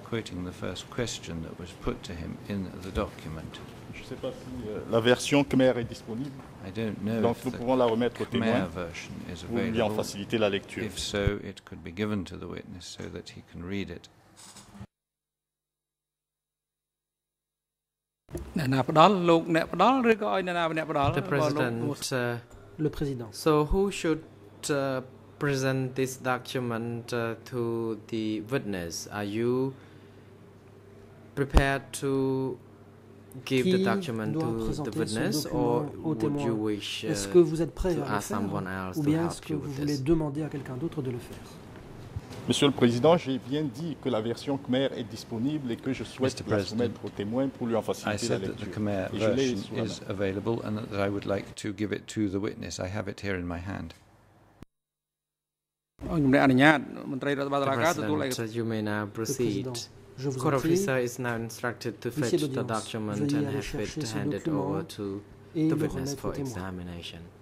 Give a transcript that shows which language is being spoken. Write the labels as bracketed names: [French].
[French] Je ne sais pas si la version Khmer est disponible. Donc nous pouvons la remettre au témoin pour lui en faciliter la lecture. [English] If so, it could be given to the witness so that he can read it. The president, so who should present this document to the witness? Are you prepared to give the document to the witness, or would you wish to ask someone else to help you with this? [French] Demander à quelqu'un d'autre de le faire? Monsieur le Président, j'ai bien dit que la version Khmer est disponible et que je souhaite la soumettre au témoin pour lui en faciliter la lecture. [English] The Khmer version is available and that I would like to give it to the witness. I have it here in my hand. You may now proceed. The court officer is now instructed to fetch the document and have it handed over to the witness for examination.